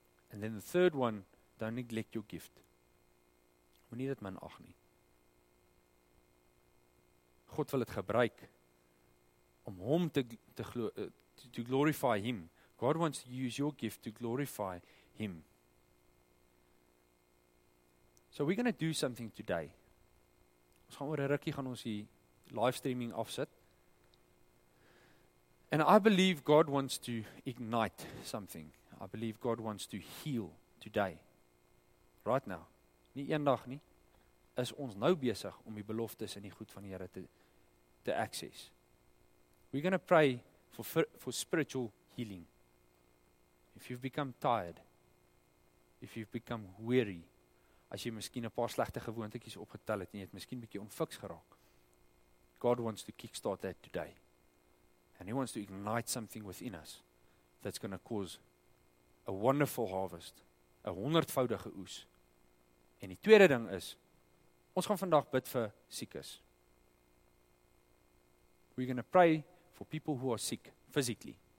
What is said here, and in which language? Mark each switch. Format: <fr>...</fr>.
<en>And then the third one, don't neglect your gift.</en> <af>Moenie dit minag nie. God wil dit gebruik, om hom</af> <en>to glorify him. God wants to use your gift to glorify him. So we're going to do something today.</en> <af>Ons gaan oor 'n rukkie gaan ons die live streaming afsit.</af> <en>And I believe God wants to ignite something. I believe God wants to heal today. Right now.</en> <af>Nie eendag nie. Is ons nou besig om die beloftes en die goed van die Here te access.</af> <en>We're going to pray for spiritual healing. If you've become tired, if you've become weary,</en> <af>as jy miskien 'n paar slegte gewoontetjies opgetel het en jy het miskien bietjie onfiks geraak.</af> <en>God wants to kickstart that today. And he wants to ignite something within us that's going to cause a wonderful harvest,</en> <af>'n honderdvoudige oes. En die tweede ding is, ons gaan vandag bid vir siekes.</af> <en>We're going to pray for people who are sick physically.</en>